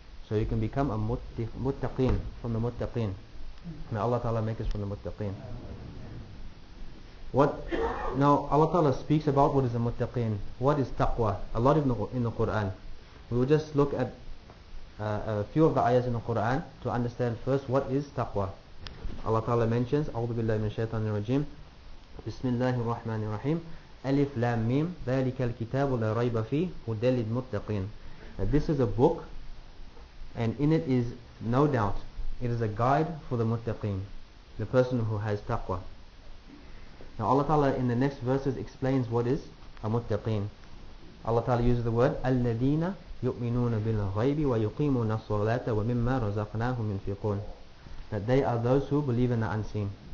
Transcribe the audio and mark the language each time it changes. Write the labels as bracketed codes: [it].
[en] So you can become a muttaqin, from the muttaqin. May Allah Ta'ala make us from the muttaqin. What, now Allah Ta'ala speaks about what is a muttaqin, what is taqwa, a lot in the Qur'an. We will just look at a few of the ayahs in the Qur'an to understand first what is taqwa. Allah Ta'ala mentions, [ar] أعوذ بالله من الشيطان الرجيم, بسم الله الرحمن الرحيم, ألف لام ميم, ذلك الكتاب لا ريب فيه, هدى للمتقين. [en] This is a book, and in it is no doubt, it is a guide for the muttaqin, the person who has taqwa. Now Allah Ta'ala in the next verses explains what is a muttaqin. Allah Ta'ala uses the word, [ar] الَّذِينَ يُؤْمِنُونَ بِالْغَيْبِ وَيُقِيمُونَ الصَّلَاةَ وَمِمَّا رَزَقْنَاهُمْ يُنْفِقُونَ, [en] that they are those who believe in the unseen.